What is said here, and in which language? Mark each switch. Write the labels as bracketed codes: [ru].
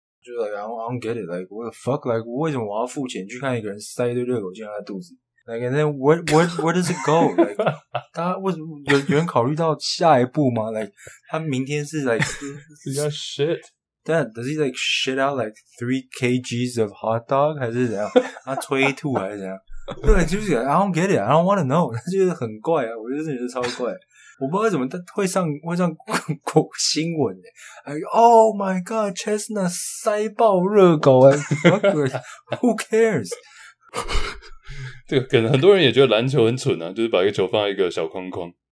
[zh] 就是 [en] like, I don't get it, like, what the fuck, like, [zh] 为什么我要付钱去看一个人塞一堆热狗进他的肚子？ [en] Like, and then, where does it go? Like, [zh] 他为什么有人考虑到下一步吗？ [en] Like, [zh] 他明天是 [en] like, yeah, shit. Dad, does he like shit out like 3 kgs of hot dog? [zh] 还是怎样？他吹吐还是怎样？对， [en] like, [zh] 就是 [en] I don't get it, I don't want to know. [zh] 他觉得很怪啊，我就是觉得超怪。我不知道为什么他会上国新闻呢、欸、？ [en] Like, oh my god, [zh] Chestnut 塞爆热狗啊、欸、！ [en] Who cares? [zh] 对，可能很多人也觉得篮球很蠢啊，就是把一个球放在一个小框框。